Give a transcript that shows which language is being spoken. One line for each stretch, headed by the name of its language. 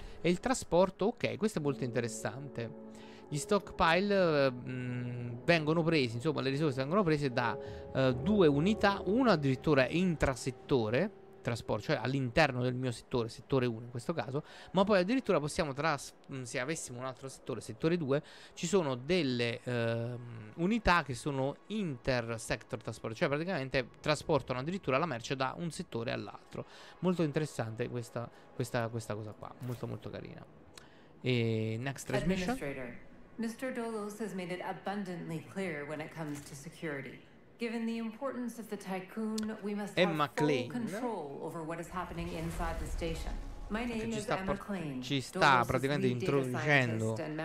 Italian: E il trasporto, ok, questo è molto interessante. Gli stockpile vengono presi, insomma, le risorse vengono prese da due unità, una addirittura intrasettore trasporto, cioè all'interno del mio settore, settore 1 in questo caso, ma poi addirittura possiamo se avessimo un altro settore, settore 2, ci sono delle unità che sono inter-sector trasporto, cioè praticamente trasportano addirittura la merce da un settore all'altro. Molto interessante questa cosa qua, molto molto carina.
English: E next transmission. Mr. Dolos has made it abundantly clear when it comes to security. Given the importance of the tycoon, we must Emma have full control over what is happening inside the station. My name is Emma Klein.
Italian: Ci sta praticamente introducendo.